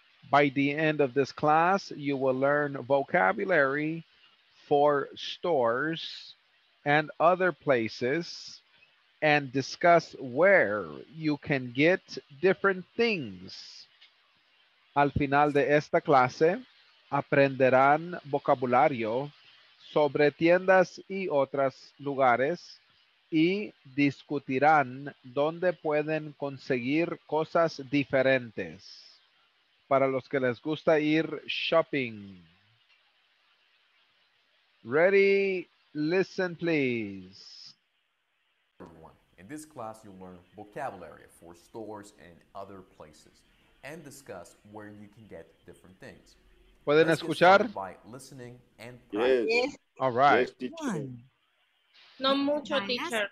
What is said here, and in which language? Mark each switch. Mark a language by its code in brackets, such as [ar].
[en] By the end of this class, you will learn vocabulary for stores and other places and discuss where you can get different things. [es] Al final de esta clase, aprenderán vocabulario sobre tiendas y otros lugares y discutirán dónde pueden conseguir cosas diferentes. Para los que les gusta ir shopping. Ready, [en] Listen, please. Everyone, in this class, you'll learn vocabulary for stores and other places and discuss where you can get different things. [es] ¿Pueden escuchar? [en] By listening and practicing. Yes. All right. Yes, teacher. One. [es] No mucho, teacher.